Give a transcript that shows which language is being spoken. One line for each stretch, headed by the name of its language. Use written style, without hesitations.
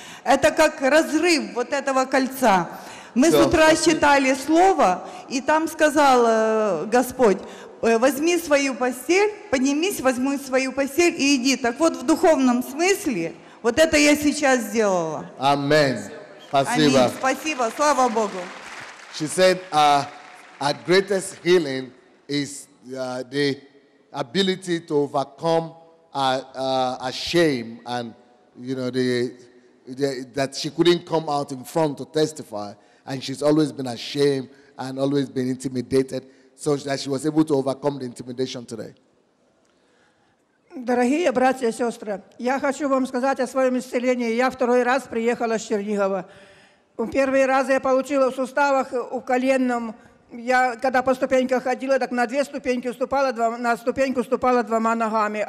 Russian: Это как разрыв вот этого кольца. Мы с утра считали слово, и там сказал Господь: «Возьми свою постель, поднимись, возьми свою постель и иди». Так вот, в духовном смысле, вот это я сейчас сделала. Amen. Спасибо. Аминь. Спасибо. Слава Богу.
English: She said, "Our greatest healing is the ability to overcome our shame, and you know that she couldn't come out in front to testify, and she's always been ashamed and always been intimidated, so that she was able to overcome the intimidation today."
Russian: Дорогие братья и сестры, я хочу вам сказать о своем исцелении. Я второй раз приехала с Чернигова. В первый раз я получила в суставах, в коленном, Я когда по ступенькам ходила, так на две ступеньки ступала, на ступеньку ступала двумя ногами.